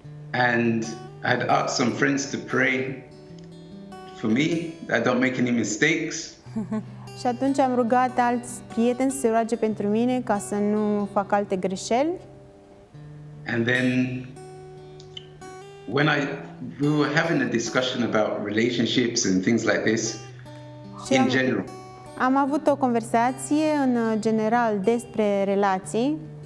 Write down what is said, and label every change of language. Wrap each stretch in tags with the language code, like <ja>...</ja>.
<en>And I had asked some friends to pray for me, that I don't make any mistakes.</en> <ro>Și atunci am rugat alți prieteni să roage pentru mine ca să nu fac alte greșeli.</ro> <en>And then when we were having a discussion about relationships and things like this in general.</en> <ro>Am avut o conversație în general despre relații.</ro>